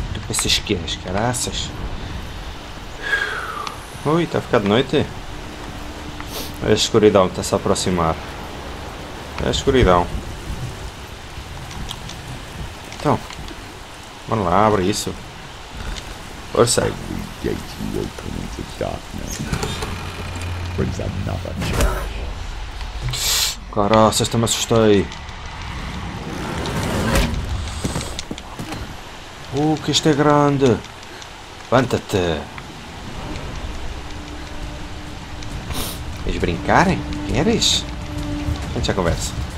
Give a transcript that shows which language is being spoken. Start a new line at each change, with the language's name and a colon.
Portuguese: Essas que as caraças. Ui, está a ficar de noite. A escuridão está-se a aproximar. A escuridão. Então, vamos lá, abre isso. Força aí.
English: Every gate you open into darkness brings another challenge.
Portuguese: Caraças, até me assustei. Que isto é grande! Levanta-te! Queres brincar? Queres? A gente já conversa.